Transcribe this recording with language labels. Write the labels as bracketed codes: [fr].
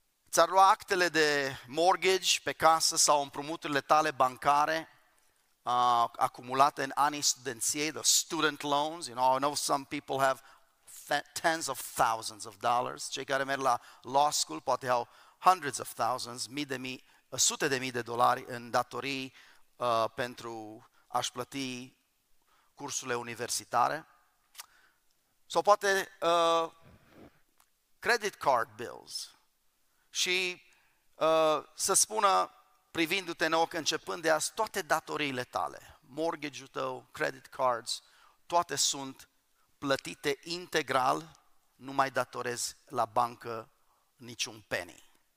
[ro] ți-ar lua actele de mortgage pe casă sau împrumuturile tale bancare acumulate în anii studenției, [en] the student loans, you know, I know some people have tens of thousands of dollars. [ro] Cei care merg la law school poate au [en] hundreds of thousands, [ro] mii de mii, sute de mii de dolari în datorii pentru a-și plăti cursurile universitare. Sau poate [en] credit card bills. [ro] Și să spună, privindu-te în ochi, începând de azi, toate datoriile tale, mortgage-ul tău, credit cards, toate sunt plătite integral, nu mai datorezi la bancă niciun penny.